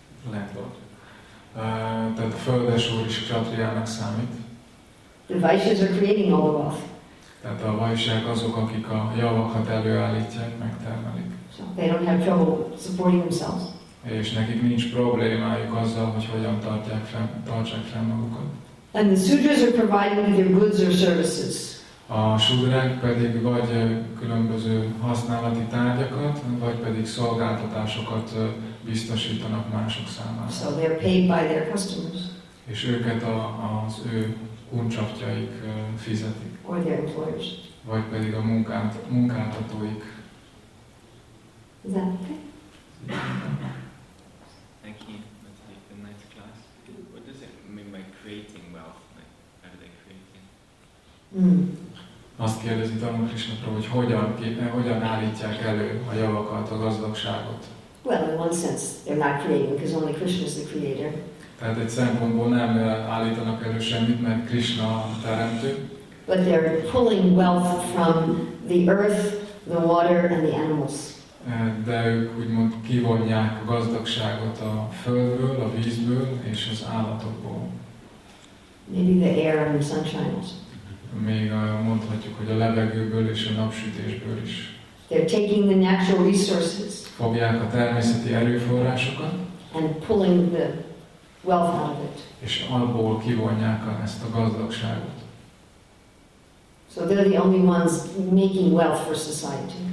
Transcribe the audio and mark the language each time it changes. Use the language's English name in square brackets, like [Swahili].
[Hungarian] Landlord. Tehát a földes úr is kshatriának számít. [English] The Vaishyas are creating all the wealth. [Hungarian] Tehát a vajsák azok, akik a javakat előállítják, megtermelik. [English] So they don't have trouble supporting themselves. [Hungarian] És nekik nincs problémájuk azzal, hogy hogyan tartsák fenn magukat. [English] And the sudras are providing their goods or services. [Hungarian] A sudrák pedig vagy különböző használati tárgyakat, vagy pedig szolgáltatásokat biztosítanak mások számára. [English] So they are paid by their customers. [Hungarian] És őket az ő kuncsaptjaik fizetik. [English] Or their employers. [Hungarian] Vagy pedig a munkáltatóik. [English] Is that okay? Thank you. That's like a nice class. What does it mean by creating wealth? Like, how do they create it? [Hungarian] Azt kérdezi Dharma Krishnapra, hogy hogyan állítják elő a javakat, a gazdagságot. [English] Well, in one sense, they're not creating, because only Krishna is the creator. [Hungarian] Tehát egy szempontból nem állítanak elő semmit, mert Krishna a teremtő. [English] But they're pulling wealth from the earth, the water, and the animals. [Hungarian] De ők úgymond kivonják a gazdagságot a földből, a vízből és az állatokból. [English] Maybe the air and the sunshine also. [Hungarian] Még mondhatjuk, hogy a levegőből és a napsütésből is. [English] They're taking the natural resources. [Hungarian] Fogják a természeti erőforrásokat. [English] And pulling the wealth out of it. [Hungarian] És abból kivonják ezt a gazdagságot. [English] So they're the only ones making wealth for society.